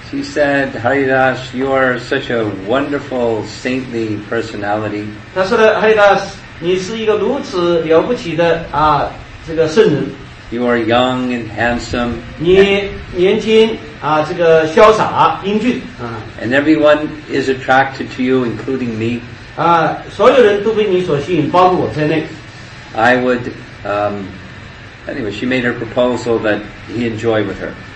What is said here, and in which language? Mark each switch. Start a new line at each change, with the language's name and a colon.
English: She said, Haridas, you are such a wonderful, saintly personality.
Chinese: 他说呢，Haridas，你是一个如此了不起的这个圣人。
English: You are young and handsome.
Chinese: 你年轻，这个潇洒英俊。
English: And everyone is attracted to you, including me.
Chinese: 所有人都被你所吸引，包括我在内。
English: I would, anyway, she made her proposal that he enjoy with her.